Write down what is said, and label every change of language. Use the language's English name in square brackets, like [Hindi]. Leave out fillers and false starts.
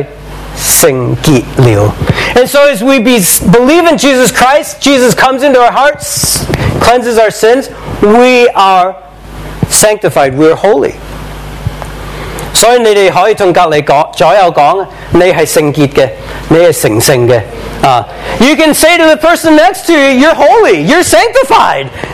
[Chinese] 所以我们信耶稣，耶稣洗干净我们的罪，我们就是圣洁了。 [English] And so as we believe in Jesus Christ, Jesus comes into our hearts, cleanses our sins, we are sanctified, we are holy. [Chinese] 所以你们可以跟隔壁左右说，你是圣洁的，你是成圣的。 [English] You can say to the person next to you, you're holy, you're sanctified.